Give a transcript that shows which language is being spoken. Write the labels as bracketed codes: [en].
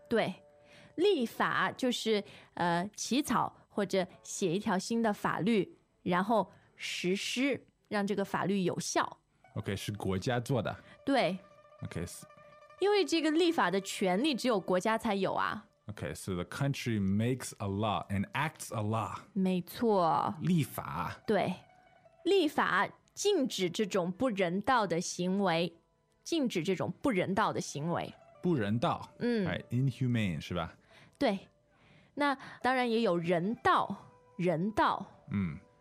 [zh] 对，立法就是起草或者写一条新的法律，然后实施，让这个法律有效。 OK， 是国家做的？对。 OK，因为这个立法的权利只有国家才有啊。 [en] Okay, so the country makes a law and acts a law. [zh] 没错。立法。对。立法禁止这种不人道的行为。禁止这种不人道的行为。不人道。嗯。 [en] Right, inhumane, [zh] 是吧？对。那当然也有人道。人道。嗯。